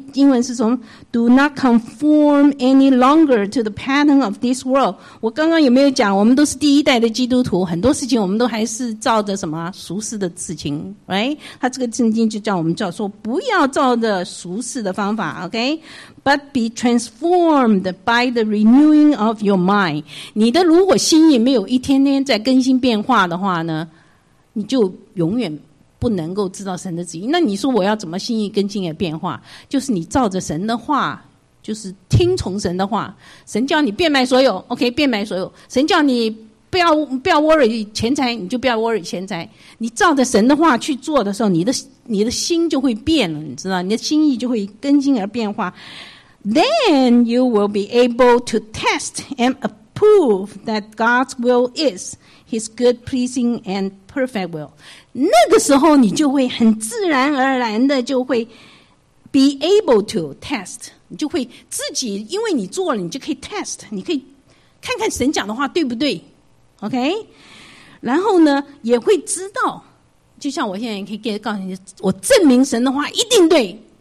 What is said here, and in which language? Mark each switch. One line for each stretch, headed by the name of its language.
Chinese: 英文是从
English: Do not conform any longer to the pattern of this world。
Chinese: 我刚刚有没有讲，我们都是第一代的基督徒，很多事情我们都还是照着什么俗世的事情、right? 他这个圣经就叫我们叫说不要照着俗世的方法， OK？
English: But be transformed by the renewing of your mind.
Chinese: 你的如果心意没有一天天在更新变化的话呢，你就永远不能够知道神的旨意。那你说我要怎么心意更新也变化？就是你照着神的话，就是听从神的话。神叫你变卖所有 ，OK， 变卖所有。神叫你不要 worry 钱财，你就不要 worry 钱财。你照着神的话去做的时候，你的心就会变了，你知道，你的心意就会更新而变化。
English: Then you will be able to test and approve that God's will is His good, pleasing, and perfect will.
Chinese: 那个时候，你就会很自然而然的就会
English: be able to test，
Chinese: 你就会自己，因为你做了，你就可以 test， 你可以看看神讲的话对不对。 OK， 然后呢，也会知道，就像我现在可以告诉你，我证明神的话一定对。